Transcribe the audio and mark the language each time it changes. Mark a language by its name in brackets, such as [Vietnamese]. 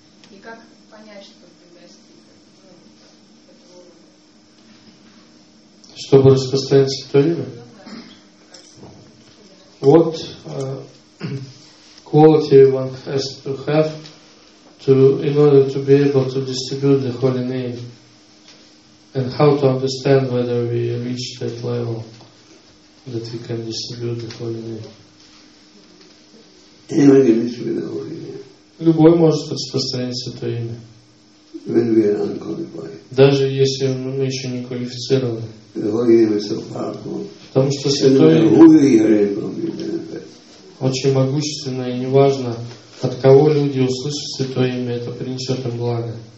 [Russian] И как понять, что ты достиг этого уровня? Чтобы распространять святое имя? [English] What quality one has to have to in order to be able to distribute the holy name, and how to understand whether we reach that level that we can distribute the holy name? [Russian] Любой может распространить святое имя. [English] When we are unqualified. [Russian] Даже если мы еще не квалифицированы. [English] The holy name is so powerful. [Russian] Потому что святое имя очень могущественно, и неважно, от кого люди услышат святое имя, это принесет им благо.